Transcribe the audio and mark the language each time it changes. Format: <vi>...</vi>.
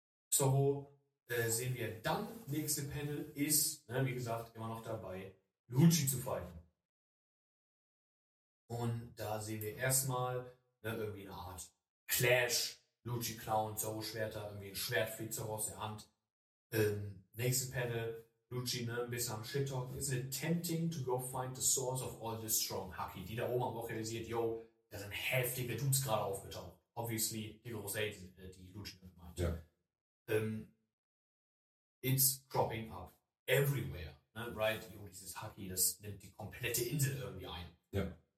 <de>Zoro, sehen wir dann, nächste Panel ist, ne, wie gesagt, immer noch dabei, Lucci zu fighten. Und da sehen wir erstmal, ne, irgendwie eine Art Clash. Lucci Clown, Zoro Schwerter, irgendwie ein Schwert fliegt Zoro aus der Hand. Nächste Panel, Lucci, ne, ein bisschen am Shit Talk.</de> <en>Is it tempting to go find the source of all this strong Haki?</en> <de>Die da oben haben auch realisiert, yo, da sind heftige Dudes gerade aufgetaucht. Obviously, die Rosé, die Lucci meint. Ja.</de> <en>It's cropping up everywhere, ne, right?</en> <de>Yo, dieses Haki, das nimmt die komplette Insel irgendwie ein. Ja.</de>